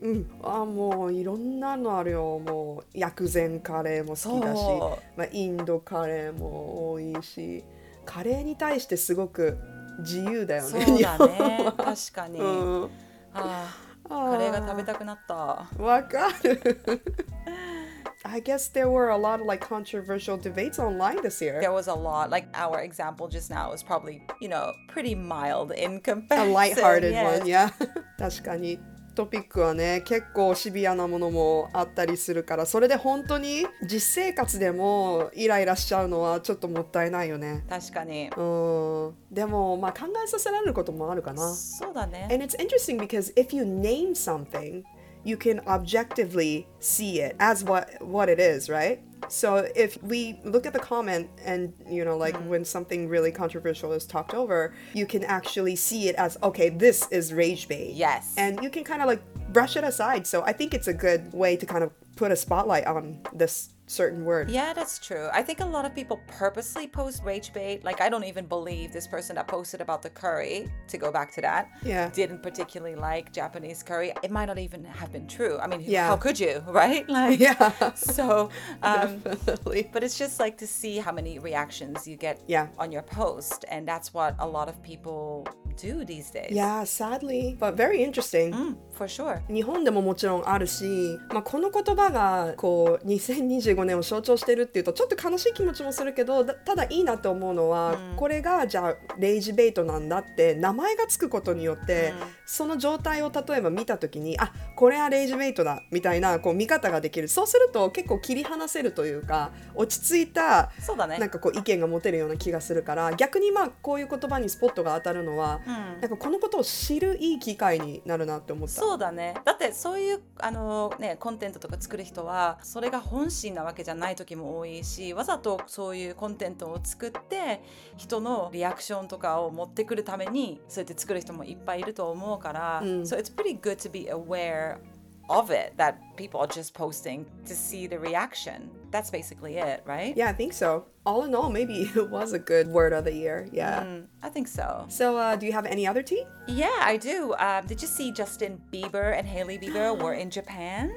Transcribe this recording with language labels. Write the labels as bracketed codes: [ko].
[ja] うん、あ、もういろんなのあるよ。もう薬膳カレーも好きだし、まあ、インドカレーも多いし、カレーに対してすごく自由だよね。そうだね、確かに、うん、あ、カレーが食べたくなった。わかる。 [en] I guess there were a lot of like controversial debates online this year. There was a lot. Like our example just now was probably, you know, pretty mild in comparison. A lighthearted one, yeah. [ja] 確かにトピックはね、結構シビアなものもあったりするから、それで本当に実生活でもイライラしちゃうのはちょっともったいないよね。確かに。うん。でもまあ考えさせられることもあるかな。そうだね。 [en] And it's interesting because if you name something,you can objectively see it as what it is, right? So if we look at the comment and, you know, like, when something really controversial is talked over, you can actually see it as, okay, this is rage bait. Yes. And you can kind of, like, brush it aside. So I think it's a good way to kind of put a spotlight on this certain word. Yeah, that's true. I think a lot of people purposely post rage bait. Like, I don't even believe this person that posted about the curry, to go back to that, yeah, didn't particularly like Japanese curry. It might not even have been true. I mean, yeah. How could you, right? Like, yeah. So, definitely. But it's just like to see how many reactions you get, yeah, on your post. And that's what a lot of people do these days. Yeah, sadly, but very interesting. Mm, for sure. [ja] 日本でももちろんあるし、まあ、この言葉がこう2025年を象徴してるっていうとちょっと悲しい気持ちもするけど、ただいいなと思うのは、mm. これがじゃあレイジベイトなんだって名前がつくことによって、mm. その状態を例えば見た時に、あ、これはレイジベイトだみたいなこう見方ができる。そうすると結構切り離せるというか、落ち着いた、そうだね、なんかこう意見が持てるような気がするから、逆にまあこういう言葉にスポットが当たるのは、うん、なんかこのことを知るいい機会になるなって思った。そうだね、だってそういうあの、ね、コンテンツとか作る人はそれが本心なわけじゃない時も多いし、わざとそういうコンテンツを作って人のリアクションとかを持ってくるためにそうやって作る人もいっぱいいると思うから、うん、 [en] So it's pretty good to be aware of it that people are just posting to see the reaction. That's basically it, right? Yeah, I think so. All in all, maybe it was a good word of the year. Yeah. I think so. So, do you have any other tea? Yeah, I do. Did you see Justin Bieber and Hailey Bieber were in Japan?